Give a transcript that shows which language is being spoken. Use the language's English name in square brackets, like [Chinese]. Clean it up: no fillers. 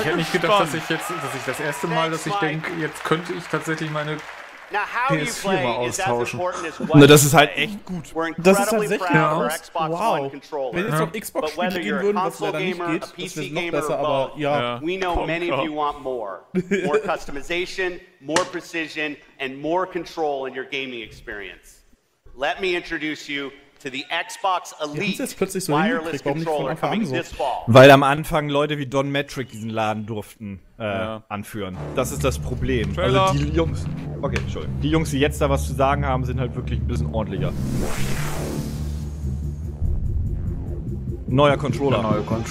[German] Ich hätte nicht gedacht, dass ich das erste Mal, dass ich denke, jetzt könnte ich tatsächlich meine PS4 mal austauschen. Na, das ist halt echt gut. Das ist tatsächlich aus. Wow. Wenn jetzt auf Xbox-Spiele gehen würden, was leider nicht geht, das wäre noch besser, aber ja. [English] We know many of you want more. More customization, more precision, and more control in your gaming experience. Let me introduce you to the Xbox Elite [German] jetzt plötzlich so [English] wireless controller coming this fall. [German] Weil am Anfang Leute wie Don Matrick diesen Laden durften anführen. Das ist das Problem. Trailer. Also die Jungs. Okay, Entschuldigung. Die Jungs, die jetzt da was zu sagen haben, sind halt wirklich ein bisschen ordentlicher. Neuer Controller.